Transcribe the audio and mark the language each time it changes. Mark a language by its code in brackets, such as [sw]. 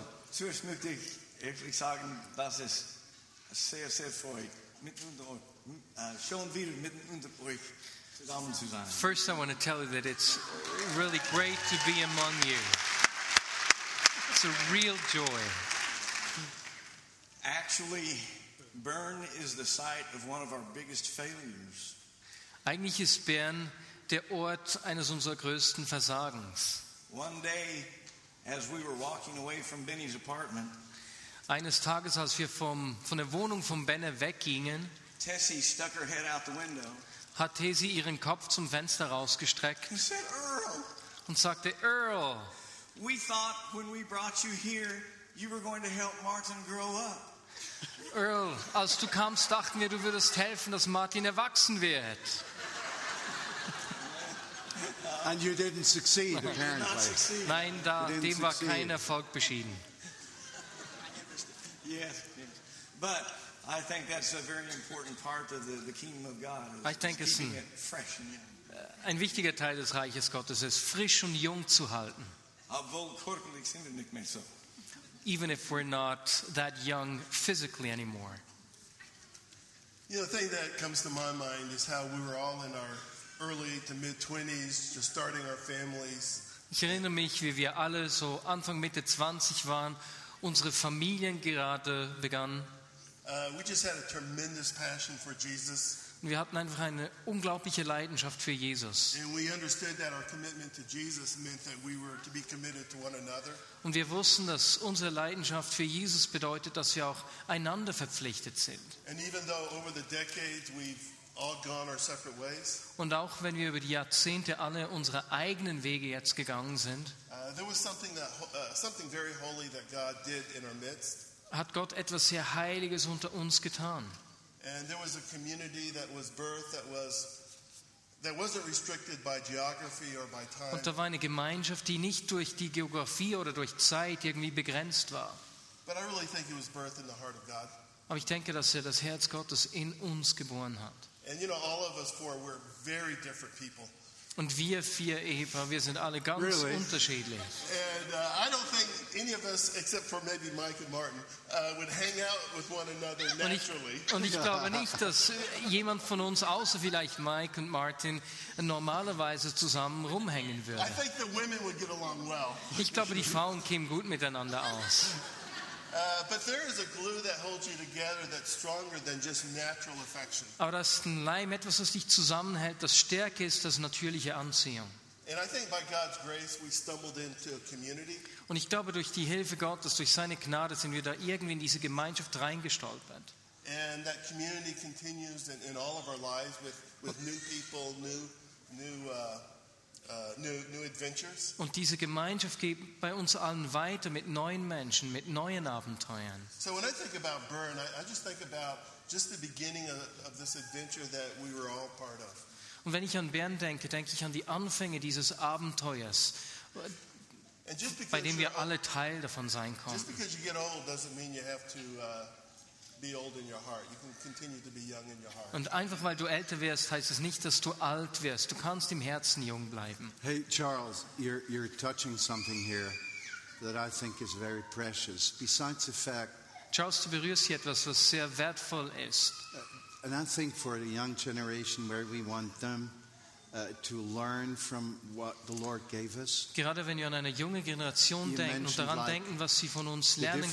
[de] Zuerst möchte ich ehrlich sagen, dass es sehr, sehr freut, mitten unter euch, schon wieder mitten unter euch zusammen zu sein. [en] First, I want to tell you that it's really great to be among you. It's a real joy. Actually, Bern is the site of one of our biggest failures. [de] Eigentlich ist Bern der Ort eines unserer größten Versagens. [en] One day, as we were walking away from Benny's apartment, [de] eines Tages, als wir von der Wohnung von Benne weggingen, [en] Tessie stuck her head out the window, [de] hat Tessie ihren Kopf zum Fenster rausgestreckt [en] and said, Earl, [de] und sagte, Earl, [en] we thought when we brought you here, you were going to help Martin grow up. [de] Earl, als du kamst, dachten wir, du würdest helfen, dass Martin erwachsen wird. [en] And you didn't succeed, apparently. Did not succeed. [de] Nein, da, [en] you didn't [de] dem [en] succeed. [de] War kein Erfolg beschieden. [en] Yes, but I think that's a very important part of the kingdom of God. I think it's fresh and young. [de] Ein wichtiger Teil des Reiches Gottes ist, frisch und jung zu halten. obwohl körperlich sind wir nicht mehr so. [en] Even if we're not that young physically anymore. You know, the thing that comes to my mind is how we were all in our early to mid-20s, just starting our families. [de] Ich erinnere mich, wie wir alle so Anfang, Mitte 20 waren, unsere Familien gerade begannen. [en] We just had a tremendous passion for Jesus. [de] Und wir hatten einfach eine unglaubliche Leidenschaft für Jesus. [en] And we understood that our commitment to Jesus meant that we were to be committed to one another. [de] Und wir wussten, dass unsere Leidenschaft für Jesus bedeutet, dass wir auch einander verpflichtet sind. [en] And even though over the decades we've all gone our separate ways. [de] Und auch wenn wir über die Jahrzehnte alle unsere eigenen Wege jetzt gegangen sind, [en] there was something that, something very holy that God did in our midst. [de] Hat Gott etwas sehr Heiliges unter uns getan. [en] And there was a community that was birthed that wasn't restricted by geography or by time. [de] Und da war eine Gemeinschaft, die nicht durch die Geografie oder durch Zeit irgendwie begrenzt war. [en] But I really think it was birthed in the heart of God. [de] Aber ich denke, dass er das Herz Gottes in uns geboren hat. [en] And you know, all of us four, we're very different people. [de] Und wir vier Ehepaar, wir sind alle ganz [en] really [de] unterschiedlich. [en] And I don't think any of us, except for maybe Mike and Martin, would hang out with one another naturally. [de] Und ich glaube nicht, dass jemand von uns, außer vielleicht Mike und Martin, normalerweise zusammen rumhängen würde. [en] I think the women would get along well. [de] Ich glaube, die Frauen kämen gut miteinander aus. [en] But there is a glue that holds you together that's stronger than just natural affection. [de] Aber das ist ein Leim, etwas, das dich zusammenhält, das stärker ist als natürliche Anziehung. [en] And I think by God's grace we stumbled into a community. [de] Und ich glaube, durch die Hilfe Gottes, durch seine Gnade, sind wir da irgendwie in diese Gemeinschaft reingestolpert. [en] And that community continues in all of our lives with new people, new adventures. [de] Und diese Gemeinschaft geht bei uns allen weiter mit neuen Menschen, mit neuen Abenteuern. [en] So when I think about Bern, I just think about just the beginning of this adventure that we were all part of. [de] Und wenn ich an Bern denke, denke ich an die Anfänge dieses Abenteuers, bei dem wir alle Teil davon sein konnten. [en] Just because you get old doesn't mean you have to be old in your heart. You can continue to be young in your heart. [de] Und einfach weil du älter wirst, heißt es nicht, dass du alt wirst. Du kannst im Herzen jung bleiben. [en] Hey Charles, you're touching something here that I think is very precious. Besides the fact, [de] Charles, du berührst hier etwas, was sehr wertvoll ist. [en] And I think for the young generation where we want them to learn from what the Lord gave us. [de] Gerade wenn wir an eine junge Generation denken und daran denken, was sie von uns lernen können.